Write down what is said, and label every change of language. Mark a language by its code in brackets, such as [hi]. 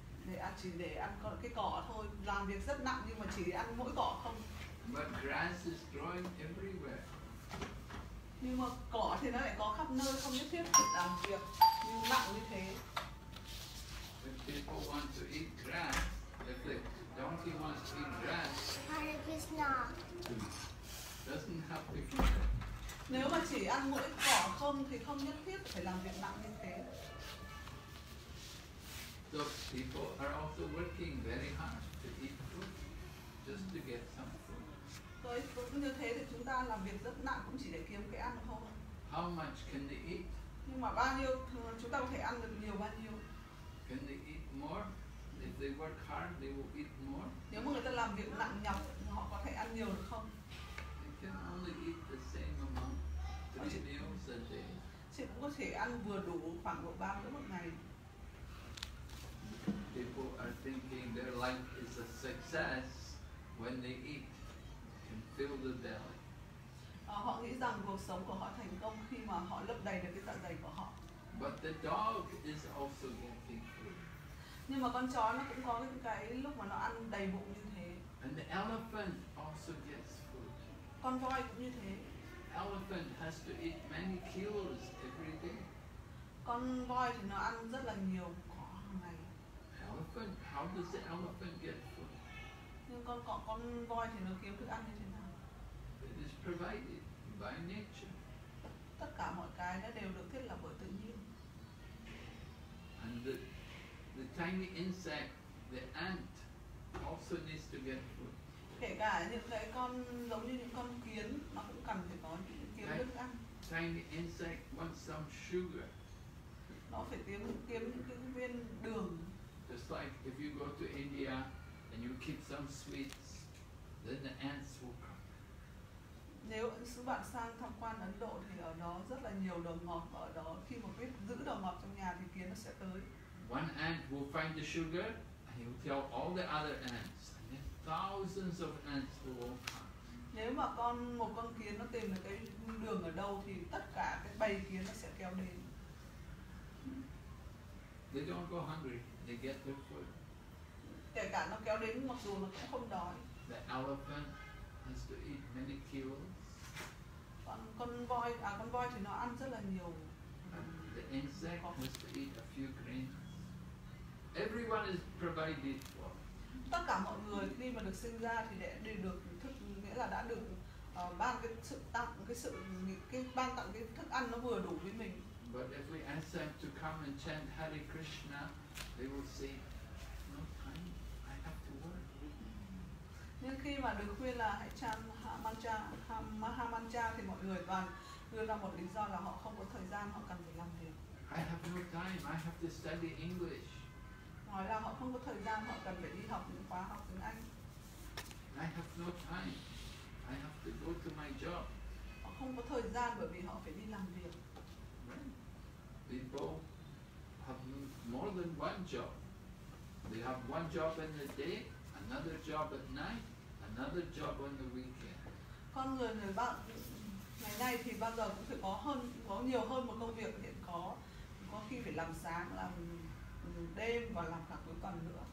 [vi] để ăn, chỉ để ăn cái cỏ thôi, làm việc rất nặng nhưng mà chỉ ăn mỗi cỏ không. [en] But grass is growing everywhere. [vi] Nhưng mà cỏ thì nó lại có khắp nơi, không nhất thiết phải làm việc nhưng nặng như thế. [en] When people want to eat grass, if the donkey wants to eat grass, [sa] Hare Krishna [en] doesn't have to eat it. [vi] Nếu mà chỉ ăn mỗi cỏ không thì không nhất thiết phải làm việc nặng như thế. [en] So people are also working very hard to eat food just to get some food. [vi] Thôi cũng như thế thì chúng ta làm việc rất nặng cũng chỉ để kiếm cái ăn thôi. [en] How much can they eat? [vi] Nhưng mà bao nhiêu chúng ta có thể ăn được nhiều bao nhiêu? [en] Can they eat more? If they work hard, they will eat more. [vi] Nếu mà người ta làm việc nặng nhọc, họ có thể ăn nhiều được không? [en] Can only eat the same amount, three meals a day. [vi] Chị cũng có thể ăn vừa đủ khoảng độ ba bữa một ngày. [en] People are thinking their life is a success when they eat and fill the belly. [vi] Họ nghĩ rằng cuộc sống của họ thành công khi mà họ lấp đầy được cái dạ dày của họ. [en] But the dog is also getting food. [vi] Nhưng mà con chó nó cũng có những cái lúc mà nó ăn đầy bụng như thế. [en] And the elephant also gets food. [vi] Con voi cũng như thế. [en] Elephant has to eat many kilos every day. [vi] Con voi thì nó ăn rất là nhiều cỏ hàng ngày. [en] Elephant, how does the elephant get food? [vi] Nhưng con voi thì nó kiếm thức ăn như thế nào? [en] It is provided by nature. [vi] Tất cả mọi cái nó đều được thiết lập bởi tự nhiên. [en] And the tiny insect, the ant, also needs to get food. [vi] Kể cả những cái con giống như những con kiến, nó cũng cần phải có những kiếm thức ăn. [en] Tiny insect wants some sugar. [vi] Nó phải kiếm những cái viên đường. [en] Just like if you go to India and you keep some sweets, then the ants will come. [vi] Nếu bạn sang tham quan Ấn Độ thì ở đó rất là nhiều đồ ngọt, và ở đó khi mà biết giữ đồ ngọt trong nhà thì kiến nó sẽ tới. [en] One ant will find the sugar and he will tell all the other ants. And then thousands of ants will come. [vi] Nếu mà một con kiến nó tìm được cái đường ở đâu thì tất cả cái bầy kiến nó sẽ kéo đến. [en] They don't go hungry. They get their food. [vi] Kể cả nó kéo đến mặc dù nó cũng không đói. [en] The elephant has to eat many kilos. [vi] Con voi thì nó ăn rất là nhiều. [en] And the insect has to eat a few grains. Everyone is provided for. [vi] Tất cả mọi người khi mà được sinh ra thì đều được thức, nghĩa là đã được ban cái sự tặng, cái thức ăn nó vừa đủ với mình. [en] But if we ask them to come and chant Hare Krishna, they will say, no time, I have to work. [vi] Nhưng khi mà được khuyên là hãy chant Mahamantra thì mọi người toàn đưa ra một lý do là họ không có thời gian, họ cần phải làm việc. [en] I have no time, I have to study English. [vi] Nói là họ không có thời gian, họ cần phải đi học những khóa học tiếng Anh. [en] I have no time. I have to go to my job. [vi] Họ không có thời gian bởi vì họ phải đi làm việc. [en] People have more than one job. They have one job in the day, another job at night, another job on the weekend. [vi] Con người bạn ngày nay thì bao giờ cũng phải có nhiều hơn một công việc hiện có. Có khi phải làm sáng, làm đêm và làm cả cuối tuần nữa.